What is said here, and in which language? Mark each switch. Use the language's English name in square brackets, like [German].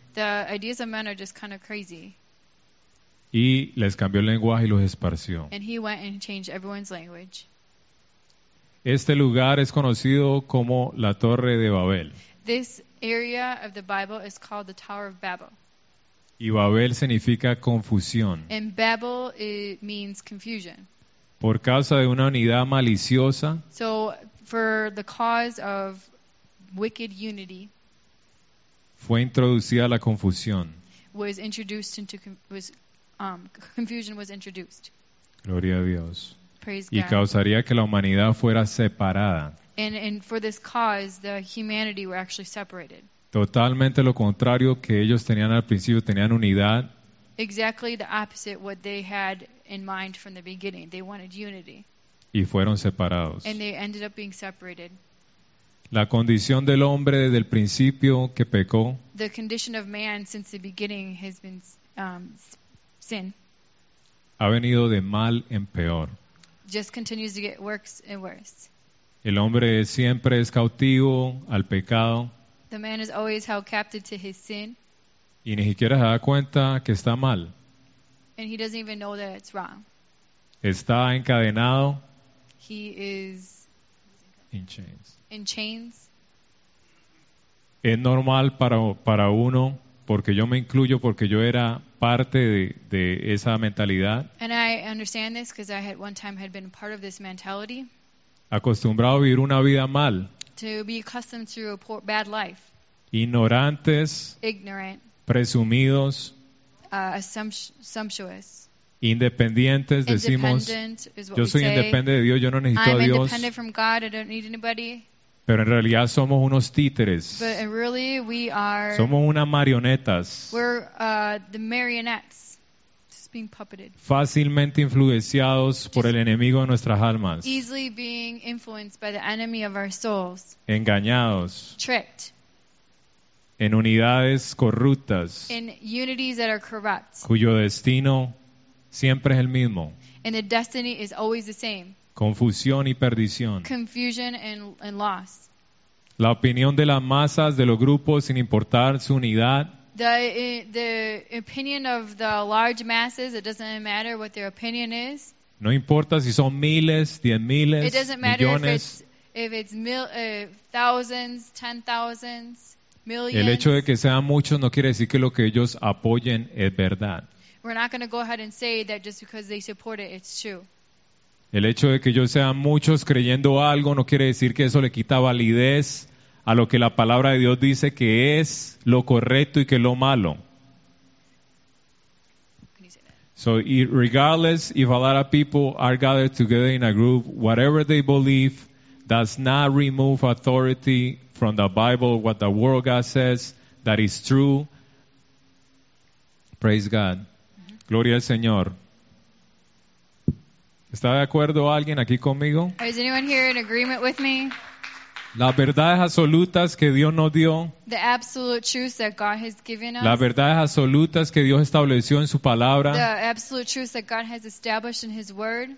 [English] The ideas of men are just kind of crazy. [Spanish] Y les cambió el lenguaje y los esparció. [English] And he went and changed everyone's language. [Spanish] Este lugar es conocido como la Torre de Babel. [English] This area of the Bible is called the Tower of Babel. [Spanish] Y Babel significa confusión. [English] And Babel, it means confusion. [Spanish] Por causa de una unidad maliciosa. [English] So, for the cause of wicked unity. [Spanish] Fue introducida la confusión. [English] Was introduced into was confusion was introduced. [Spanish] Gloria a Dios. [English] Praise [Spanish] y [English] God. [Spanish] Causaría que la humanidad fuera separada. [English] And for this cause, the humanity were actually separated. [Spanish] Totalmente lo contrario que ellos tenían al principio, tenían unidad. [English] Exactly the opposite what they had in mind from the beginning. They wanted unity. [Spanish] Y fueron separados. [English] And they ended up being separated. [Spanish] La condición del hombre desde el principio que pecó. [English] The condition of man since the beginning has been sin. [Spanish] Ha venido de mal en peor. [English] Just continues to get worse and worse. [Spanish] El hombre siempre es cautivo al pecado. [English] The man is always held captive to his sin. [Spanish] Y ni siquiera se da cuenta que está mal. [English] And he doesn't even know that it's wrong. [Spanish] Está encadenado. [English] He is in chains. In chains. [Spanish] Es normal para uno, porque yo me incluyo, porque yo era parte de esa mentalidad. [English] And I understand this because I had one time had been part of this mentality. [Spanish] Acostumbrado a vivir una vida mal. [English] To be accustomed to a poor, bad life. [Spanish] Ignorantes. [English] Ignorant. [Spanish] Presumidos. [English] Sumptuous. [Spanish] Independientes, decimos. Yo soy independiente de Dios, yo no necesito a Dios. [English] I'm independent from God, I don't need anybody. [Spanish] Pero en realidad somos unos títeres. [English] But really we are, [Spanish] somos unas marionetas. [English] We're the marionettes. Being puppeted. [Spanish] Fácilmente influenciados por el enemigo de nuestras almas. [English] Easily being influenced by the enemy of our souls. [Spanish] Engañados. [English] Tricked. [Spanish] En unidades corruptas. [English] In unities that are corrupt. [Spanish] Cuyo destino siempre es el mismo. [English] And the destiny is always the same. [Spanish] Confusión y perdición. [English] Confusion and loss. [Spanish] La opinión de las masas, de los grupos, sin importar su unidad. [English] The opinion of the large masses, it doesn't matter what their opinion is. [Spanish] No importa si son miles, diez miles, [English] it doesn't matter [Spanish] millones. [English] if it's thousands, ten thousands, millions. [Spanish] El hecho de que sean muchos no quiere decir que lo que ellos apoyen es verdad. [English] We're not going to go ahead and say that just because they support it, it's true. [Spanish] El hecho de que ellos sean muchos creyendo algo no quiere decir que eso le quita validez a lo que la palabra de Dios dice que es lo correcto y que es lo malo. [English] So regardless if a lot of people are gathered together in a group, whatever they believe does not remove authority from the Bible, what the Word of God says, that is true. Praise God. [Spanish] Mm-hmm. Gloria al Señor. ¿Está de acuerdo alguien aquí conmigo? [English] Is anyone here in agreement with me? [Spanish] Las verdades absolutas que Dios nos dio. [English] The absolute truth that God has given us. [Spanish] Las verdades absolutas que Dios estableció en su palabra. [English] The absolute truth that God has established in his word.